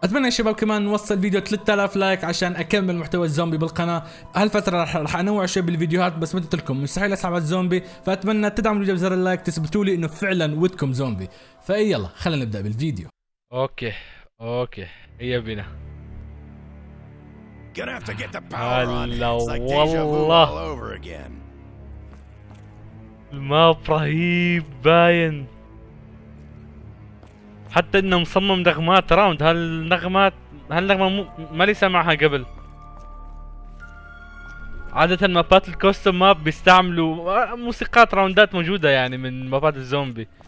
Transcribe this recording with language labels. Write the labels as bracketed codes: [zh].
[ar] اتمنى يا شباب كمان نوصل فيديو 3000 لايك عشان اكمل محتوى الزومبي بالقناه. هالفتره راح انوع شوي بالفيديوهات، بس مثل لكم مستحيل اسحب على الزومبي، فاتمنى تدعموا الفيديو بزر اللايك تثبتوا لي انه فعلا ودكم زومبي. فيلا خلينا نبدا بالفيديو. اوكي اوكي هيا بنا. [en] Gonna have to get the power on. It's like deja vu all over again. [ar] الماب رهيب باين، حتى انه مصمم نغمات راوند. هالنغمات هالنغمة ما لي سمعها قبل. عادة مابات الكوستوم ماب بيستعملوا موسيقات راوندات موجودة يعني من مابات الزومبي.